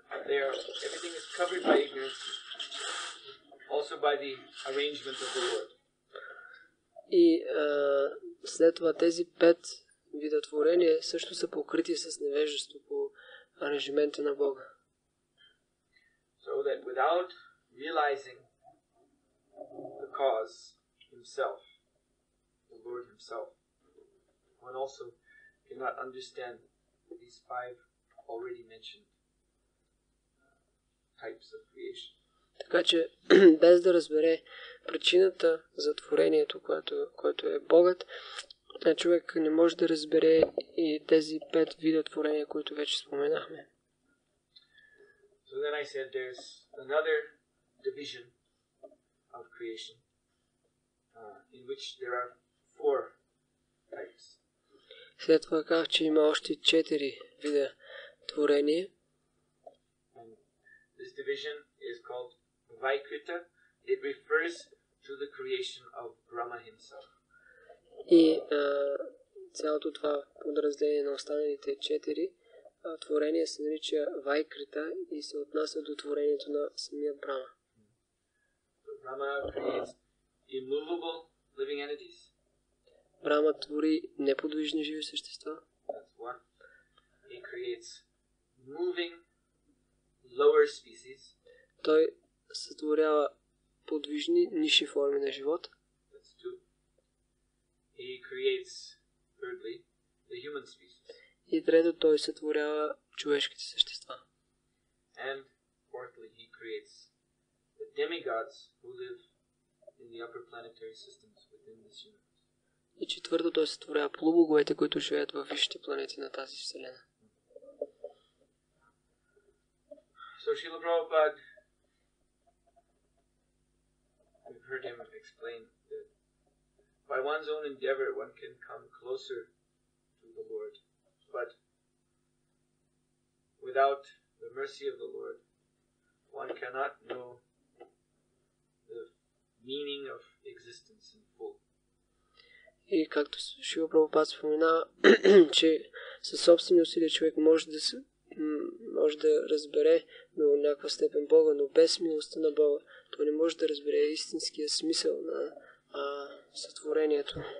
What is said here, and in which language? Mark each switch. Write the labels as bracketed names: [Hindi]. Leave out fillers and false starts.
[English] They are, everything is covered by ignorance also by the arrangement of the Lord. [Bulgarian] И след това тези пет видотворение също са покрити с невежество по аранжимента на Бога. [English] So that without realizing the cause himself, the Lord himself, one also cannot understand these five already mentioned types of creation. [Bulgarian] Така че без да разбере причината за творението, което е Богът, човек не може да разбере и тези пет вида творения, които вече споменахме. [English] So then I said there's another division of creation in which there are four types. [Bulgarian] След това казах, че има още четири вида творения. [English] division is called Vaikrita. It refers to the creation of Brahma himself. [Bulgarian] И цялото това подразделение на останалите четири творения се нарича Вайкрита и се отнася до творението на самия Брама. [English] Brahma creates immovable living entities. [Bulgarian] Брама твори неподвижни живи същества. [English] He creates moving lower species. [Bulgarian] Той сътворява подвижни ниши форми на живот. [English] He creates thirdly the human species. [Bulgarian] И трето, той сътворява човешките същества. [English] And fourthly, he creates the demigods who live in the upper planetary systems within this universe. [Bulgarian] И четвърто, той сътворява полубоговете, които живеят във висшите планети на тази вселена. [English] So Srila Prabhupada, we've heard him explain that by one's own endeavor one can come closer to the Lord, but without the mercy of the Lord one cannot know the meaning of existence in full. [Bulgarian] И както Шрила Прабхупада спомена, че със собствени усилия човек може да се може да разбере до някаква степен Бога, но без милостта на Бога той не може да разбере истинския смисъл на сътворението.